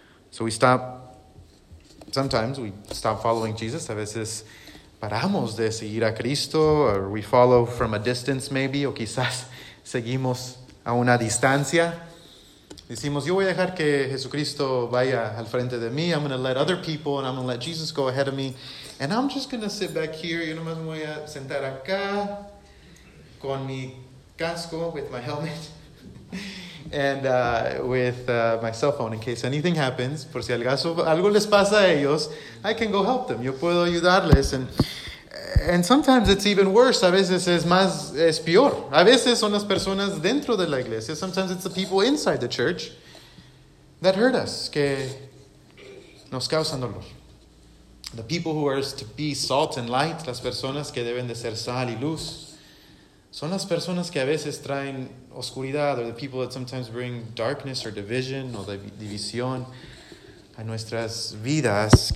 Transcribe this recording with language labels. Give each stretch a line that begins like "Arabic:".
English: So we stop, sometimes we stop following Jesus,
Spanish: a veces paramos de seguir a Cristo,
English: or we follow from a distance maybe,
Spanish: o quizás seguimos a una distancia. Decimos, yo voy a dejar que Jesucristo vaya al frente de mí.
English: I'm going to let other people and I'm going to let Jesus go ahead of me. And I'm just going to sit back here.
Spanish: Yo nomás me voy a sentar acá con mi casco,
English: with my helmet, and with my cell phone in case anything happens.
Spanish: Por si algo les pasa a ellos,
English: I can go help them.
Spanish: Yo puedo ayudarles.
English: And sometimes it's even worse.
Spanish: A veces es peor. A veces son las personas dentro de la iglesia.
English: Sometimes it's the people inside the church that hurt us,
Spanish: que nos causan dolor.
English: The people who are to be salt and light,
Spanish: las personas que deben de ser sal y luz, son las personas que a veces traen oscuridad,
English: or the people that sometimes bring darkness or division or
Spanish: división a nuestras vidas.